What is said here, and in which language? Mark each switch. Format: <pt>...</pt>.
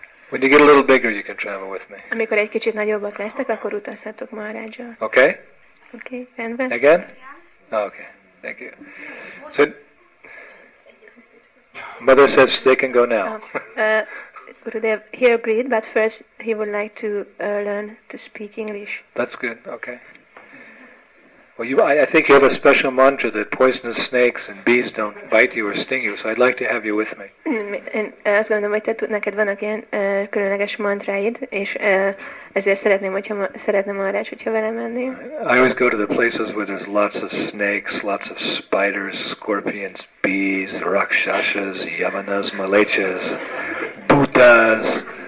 <en>When you get a little bigger, you can travel with me.</en> <hu>Amikor egy kicsit nagyobbak lesztek, akkor utazhatok ma a rádzsa.</hu> <en>Okay.</en> <hu>Okay, rendben.</hu> <en>Again? Okay, thank you. So, mother says they can go now. Gurudev, he agreed, but first he would like to learn to speak English. That's good, okay. Well, I think you have a special mantra that poisonous snakes and bees don't bite you or sting you, so I'd like to have you with me.</en> <hu>Én azt gondolom, hogy neked vannak ilyen különleges mantráid, és ezért szeretném arra, hogyha vele mennél.</hu> <en>I always go to the places where there's lots of snakes, lots of spiders, scorpions, bees, rakshasas, yavanas, malechas, bhutas.</en>